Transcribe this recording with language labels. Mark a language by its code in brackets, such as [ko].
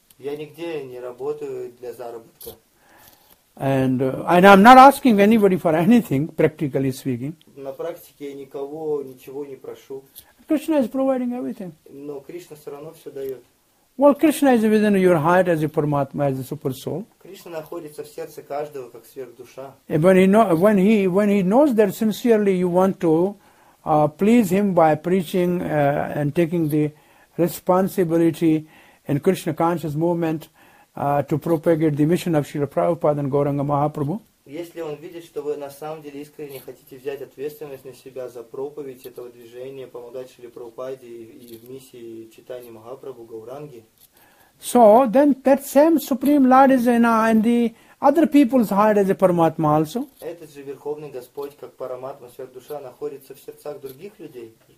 [ru] Я нигде не работаю для заработка. [en] And I'm not asking anybody for anything, practically speaking. [ru] На практике я никого ничего не прошу. [en] Krishna is providing everything. [ru] Но Кришна все равно все дает. [en] Well, Krishna is within your heart as a Paramatma, as a super soul. [ru] Кришна находится в сердце каждого как сверхдуша. [en] When he knows that sincerely you want to please him by preaching and taking the responsibility in Krishna conscious movement to propagate the mission of Srila Prabhupada and Gauranga Mahaprabhu. [ru] Если он видит, что вы на самом деле искренне хотите взять ответственность на себя за проповедь этого движения, помогать Шри Прабхупаде и в миссии читания Махапрабху Гауранги. [en] So then that same Supreme Lord is in the other people's heart as a Paramatma also. [ru] Этот же Верховный Господь, как Параматма, Сверхдуша, находится в сердцах других людей.